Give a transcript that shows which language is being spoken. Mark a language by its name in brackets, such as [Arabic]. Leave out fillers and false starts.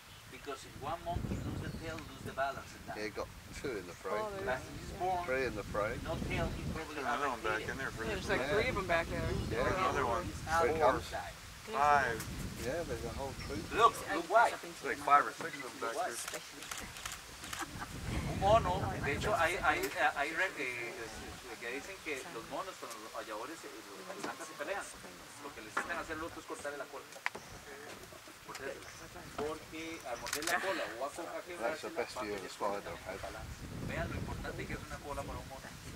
[English] Because if one monkey loses the tail, lose the balance. Yeah, he got two in the frame. Three in the frame. No tail, he probably has. I'm back in there. There's like three of them back there. Yeah, another one. Four. Five. Yeah, there's a whole troop. Look white. There's like five or six of them back there. [Spanish] Mono, de hecho, hay que dicen que los monos con los halladores y los alzantes se pelean. Lo que les intentan hacer los es cortarle la cola. [English] That's the best view of the spider I've had. [Spanish] Vean lo importante que es una cola para un mono.